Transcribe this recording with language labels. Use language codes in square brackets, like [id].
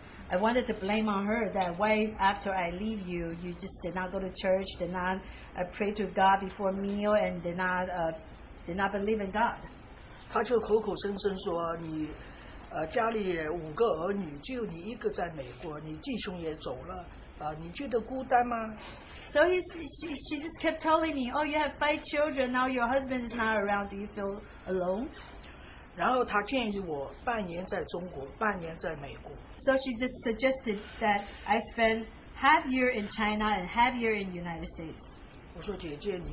[en] I wanted to blame on her that why after I leave you, you just did not go to church, did not pray to God before meal, and did not believe in God. [zh] 她就口口声声说你家里五个儿女，只有你一个在美国，你弟兄也走了，你觉得孤单吗？ [en] So she just kept telling me, oh, you have 5 children, now your husband is not around, do you feel alone? [zh] 然后她建议我半年在中国，半年在美国。 [en] So she just suggested that I spend half year in China and half year in the United States.